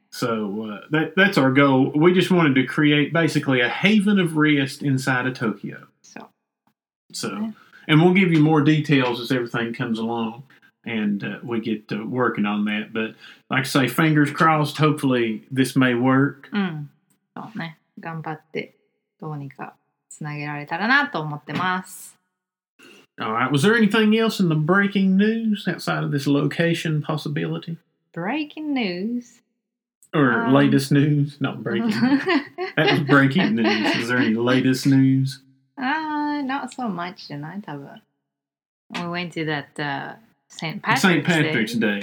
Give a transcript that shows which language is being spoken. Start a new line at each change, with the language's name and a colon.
English: So that's our goal. We just wanted to create basically a haven of rest inside of Tokyo. So, and we'll give you more details as everything comes along. And we get to working on that. But like I say, fingers crossed, hopefully this may work.
Japanese: そうね。頑張ってどうにかつなげられたらなと思ってます。
English: All right. Was there anything else in the breaking news outside of this location possibility? Breaking news? Or latest news? Not breaking news. That was breaking news. Is there any latest news? Not so much tonight, but we went to that St. Patrick's Day.